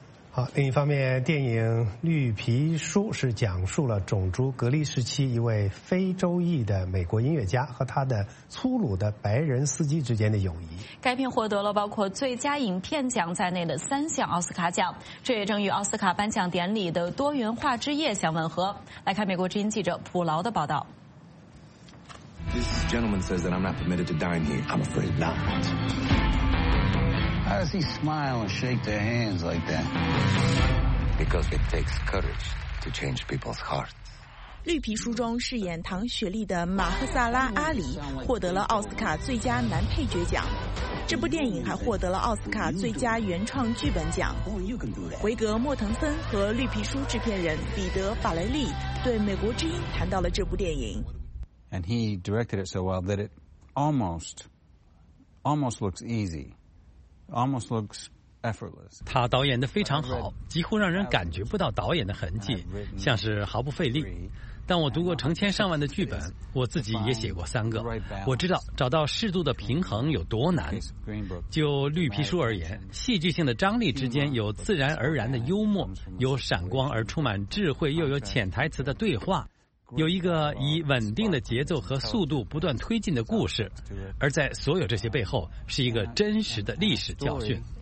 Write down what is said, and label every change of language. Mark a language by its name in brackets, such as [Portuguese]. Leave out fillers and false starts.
[Chinese] 好，另一方面，电影《绿皮书》是讲述了种族隔离时期一位非洲裔的美国音乐家和他的粗鲁的白人司机之间的友谊。该片获得了包括最佳影片奖在内的三项奥斯卡奖，这也正与奥斯卡颁奖典礼的多元化之夜相吻合。来看美国之音记者普劳的报道。 [English] This gentleman says that I'm not permitted to dine here. I'm afraid not. How does he smile and shake their hands like that? Because it takes courage to change people's hearts. [Chinese] 绿皮书中饰演唐雪莉的马赫萨拉阿里获得了奥斯卡最佳男配角奖。这部电影还获得了奥斯卡最佳原创剧本奖。维格·莫腾森和绿皮书制片人彼得·法雷利对美国之音谈到了这部电影。 [English] And he directed it so well that it almost looks easy. Almost looks effortless. [Chinese] 他导演得非常好，几乎让人感觉不到导演的痕迹，像是毫不费力。但我读过成千上万的剧本，我自己也写过三个，我知道找到适度的平衡有多难。就绿皮书而言，戏剧性的张力之间有自然而然的幽默，有闪光而充满智慧又有潜台词的对话，有一个以稳定的节奏和速度不断推进的故事，而在所有这些背后是一个真实的历史教训。